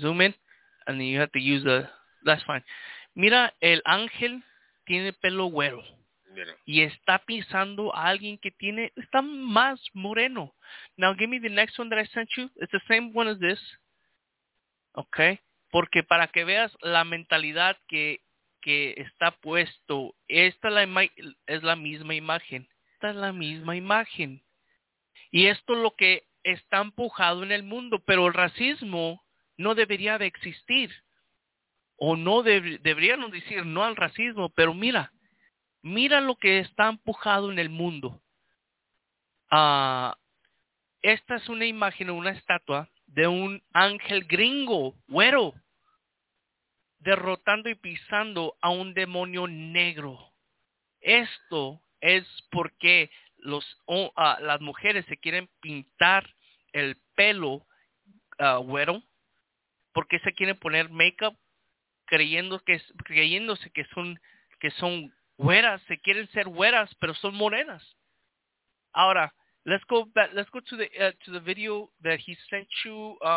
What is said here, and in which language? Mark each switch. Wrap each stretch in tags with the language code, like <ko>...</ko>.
<en>Zoom in, and then you have to use the... That's fine.</en> <es>Mira, el ángel tiene pelo güero. Mira. Y está pisando a alguien que tiene... Está más moreno.</es> <en>Now, give me the next one that I sent you. It's the same one as this. Okay?</en> <es>Porque para que veas la mentalidad que está puesto, esta es la misma imagen. Esta es la misma imagen. Y esto es lo que... está empujado en el mundo, pero el racismo no debería de existir. O no deberían decir no al racismo, pero mira, mira lo que está empujado en el mundo. Esta es una imagen, una estatua de un ángel gringo, güero, derrotando y pisando a un demonio negro. Esto es porque las mujeres se quieren pintar el pelo güero, porque se quieren poner make-up creyéndose que son güeras, se quieren ser güeras, pero son morenas.</es> <en>Ahora, let's go to the video that he sent you.</en>